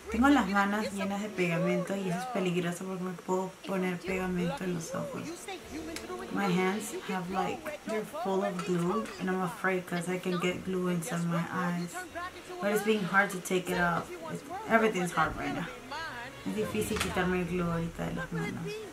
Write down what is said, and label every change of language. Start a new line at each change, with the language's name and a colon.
Spanish: Tengo las manos llenas de pegamento y eso es peligroso porque me puedo poner pegamento en los ojos.
English: My hands have like, they're full of glue and I'm afraid because I can get glue inside my eyes. But it's being hard to take it off. Everything's hard right now.
Spanish: Es difícil quitarme el glue ahorita de las manos.